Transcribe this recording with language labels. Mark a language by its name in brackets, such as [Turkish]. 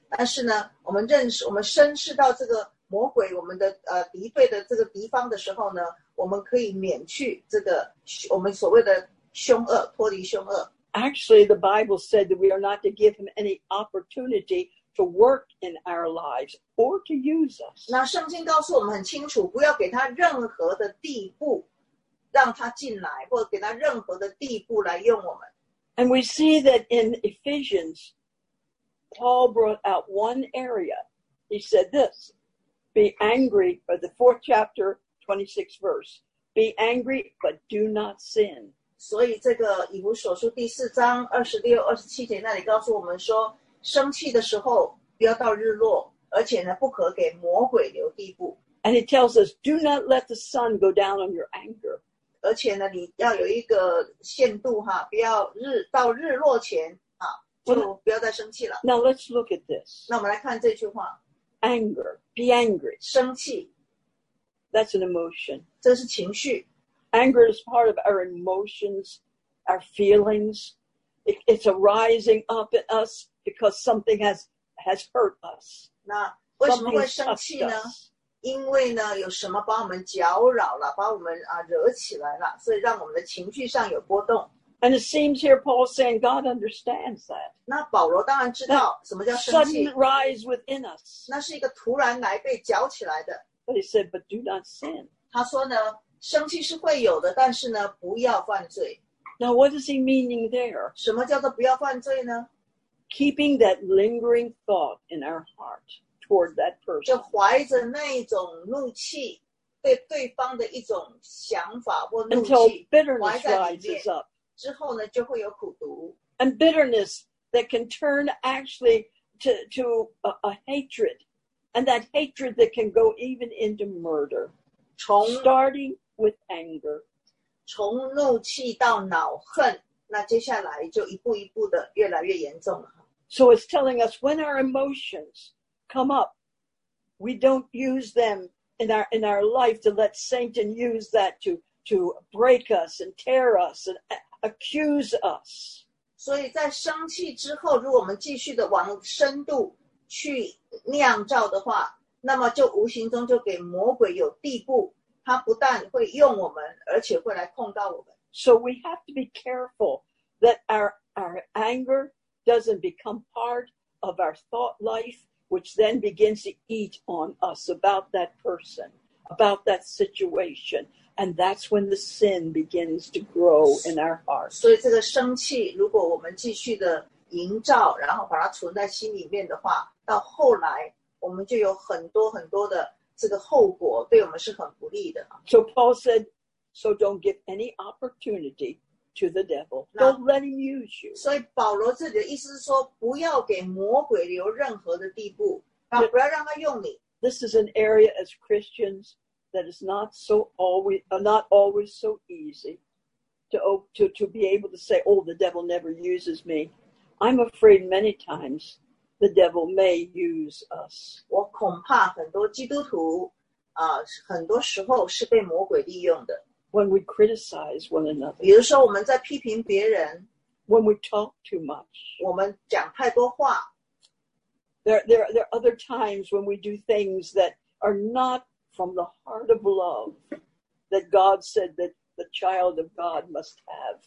[Chinese] 但是呢，我们认识，我们深识到这个魔鬼，我们的敌对的这个敌方的时候呢，我们可以免去这个我们所谓的凶恶，脱离凶恶。 [English] Actually, the Bible said that we are not to give him any opportunity. To work in our lives or to use us. [Chinese] 那圣经告诉我们很清楚，不要给他任何的地步，让他进来，或者给他任何的地步来用我们。 [English] And we see that in Ephesians, Paul brought out one area. He said this: "Be angry," by the fourth chapter, 26th verse. "Be angry, but do not sin." [Chinese] 所以这个以弗所书第四章二十六、二十七节那里告诉我们说。生气的时候不要到日落，而且呢，不可给魔鬼留地步。 [English] And it tells us, do not let the sun go down on your anger. [Chinese] 而且呢，你要有一个限度哈，不要到日落前啊，就不要再生气了。 [English] Now let's look at this. [Chinese] 那我们来看这句话。 [English] Anger, be angry. [Chinese] 生气。 [English] That's an emotion. [Chinese] 这是情绪。 [English] Anger is part of our emotions, our feelings. It's arising up in us. Because something has hurt us. [Chinese] 那为什么会生气呢？因为呢，有什么把我们搅扰了，把我们惹起来了，所以让我们的情绪上有波动。 [English] And it seems here Paul is saying God understands that. [Chinese] 那保罗当然知道什么叫生气。 [English] Sudden rise within us. [Chinese] 那是一个突然来被搅起来的。 [English] But he said, but do not sin. [Chinese] 他说呢，生气是会有的，但是呢，不要犯罪。 [English] Now what is he meaning there? [Chinese] 什么叫做不要犯罪呢？ [English] Keeping that lingering thought in our heart toward that person. [Chinese] 就怀着那种怒气，对对方的一种想法或怒气， [English] Until bitterness rises up. [Chinese] 之后呢，就会有苦毒。 [English] And bitterness that can turn actually to a hatred. And that hatred that can go even into murder. Starting with anger. [Chinese] 从怒气到恼恨，那接下来就一步一步的越来越严重了。 [English] So it's telling us when our emotions come up, we don't use them in our life to let Satan use that to break us and tear us andaccuse us. [Chinese] 所以在生气之后，如果我们继续的往深度去酿造的话，那么就无形中就给魔鬼有地步，他不但会用我们，而且会来控告我们。 [English] So we have to be careful that our anger doesn't become part of our thought life, which then begins to eat on us about that person, about that situation. And that's when the sin begins to grow in our hearts. [Chinese] 所以这个生气，如果我们继续的营造，然后把它存在心里面的话，到后来我们就有很多很多的这个后果，对我们是很不利的。 [English] So Paul said, so don't give any opportunity to the devil. Don't let him use you. [Chinese] 所以保罗这里的意思是说，不要给魔鬼留任何的地步，啊，不要让他用你。 [English] This is an area as Christians. That is not always so easy to be able to say, oh, the devil never uses me. I'm afraid many times the devil may use us. [Chinese] 我恐怕很多基督徒很多时候是被魔鬼利用的。 [English] When we criticize one another. [Chinese] 比如说我们在批评别人。 [English] When we talk too much. [Chinese] 我们讲太多话。 [English] There are other times when we do things that are not,from the heart of love that God said that the child of God must have.